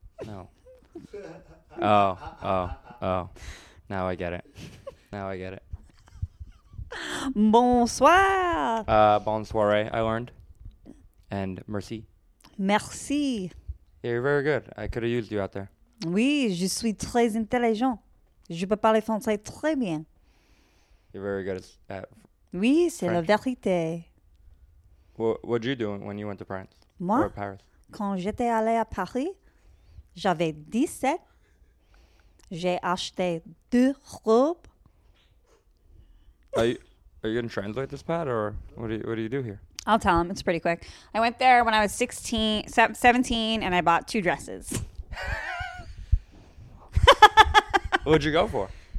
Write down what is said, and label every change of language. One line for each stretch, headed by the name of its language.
English: No. Oh. Now I get it.
French: Bonsoir.
English: Bonsoir, I learned. And merci.
French: Merci.
English: Yeah, you're very good. I could have used you out there.
French: Oui, je suis très intelligent. Je peux parler français très bien.
English: You're very good at
French: oui, c'est la vérité.
English: What did you do when you went to France?
French: Moi?
English: Or Paris?
French: Quand j'étais allé à Paris, j'avais 17. J'ai acheté 2 robes.
English: Are you going to translate this, Pat, or what do you do here? I'll tell him. It's pretty quick. I went there when I was 17, and I bought 2 dresses. What'd you go for?